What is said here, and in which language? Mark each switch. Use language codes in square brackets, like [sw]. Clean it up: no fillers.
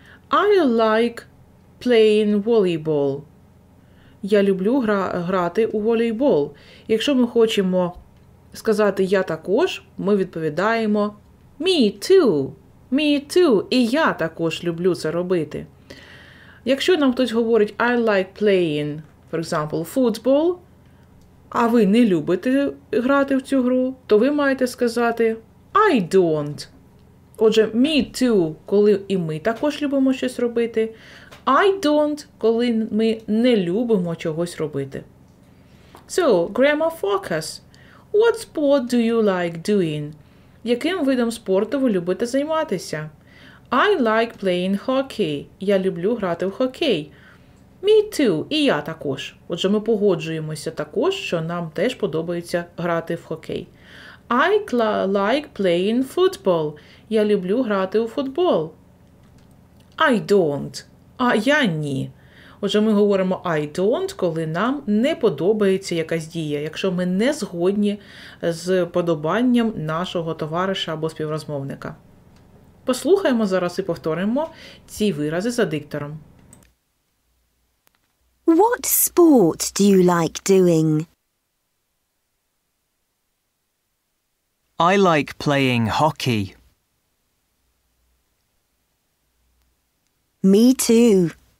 [en] I like playing volleyball. [uk] Я люблю грати у волейбол. Якщо ми хочемо сказати «я також», ми відповідаємо [en] «me too». «Me too». [uk] І я також люблю це робити. Якщо нам хтось говорить [en] «I like playing, for example, football», [uk] а ви не любите грати в цю гру, то ви маєте сказати [en] «I don't». [uk] Отже, [en] «me too», [uk] коли і ми також любимо щось робити. [en] «I don't», [uk] коли ми не любимо чогось робити. [en] So, grammar focus. What sport do you like doing? [uk] Яким видом спорту ви любите займатися? [en] I like playing hockey. [uk] Я люблю грати в хокей. [en] Me too. [uk] І я також. Отже, ми погоджуємося також, що нам теж подобається грати в хокей. [en] I like playing football. [uk] Я люблю грати у футбол. [en] I don't. [uk] А я ні. Отже, ми говоримо [en] I don't, [uk] коли нам не подобається якась дія, якщо ми не згодні з подобанням нашого товариша або співрозмовника. Послухаємо зараз і повторимо ці вирази за диктором. [en] What sport do you like doing? I like playing hockey. Me too.